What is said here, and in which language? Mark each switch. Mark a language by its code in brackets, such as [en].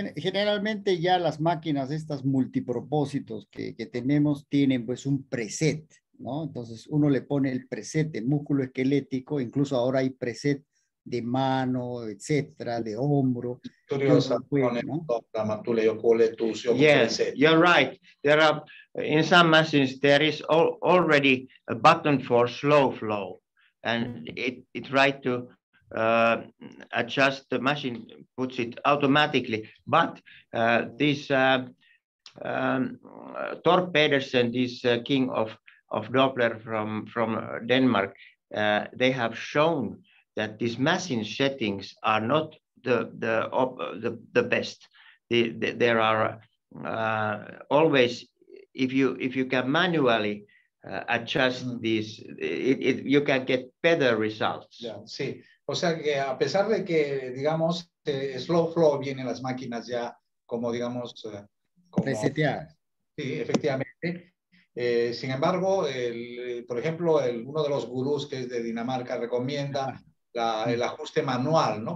[es] Generalmente ya las máquinas, estas multipropósitos que tenemos, tienen pues un preset, ¿no? Entonces, uno le pone el preset de músculo esquelético, incluso ahora hay preset de mano, etcétera, de hombro. [en] Yes, you're right. There are, in some machines, there is already a button for slow flow, and it right to adjust the machine, puts it automatically. But this Thor Pedersen, this king of Doppler from Denmark, they have shown that these machine settings are not the best. There are always, if you can manually adjust these, it you can get better results. Yeah, [es] sí. O sea que a pesar de que digamos slow flow viene las máquinas ya como digamos reseteadas. Sí, efectivamente. Sin embargo, uno de los gurús que es de Dinamarca recomienda el ajuste manual, ¿no?